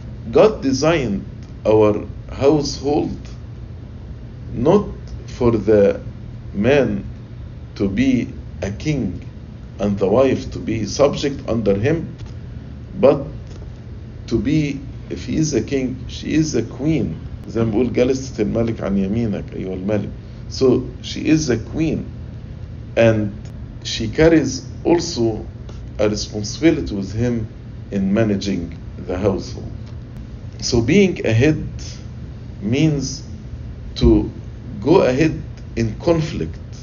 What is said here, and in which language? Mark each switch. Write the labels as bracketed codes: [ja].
[en] God designed our household not for the man to be a king and the wife to be subject under him, but to be, if he is a king, she is a queen. [ar] زي ما بقول جلست الملك عن يمينك أيها الملك. [en] So she is a queen, and she carries also a responsibility with him in managing the household. So being ahead means to go ahead in conflict.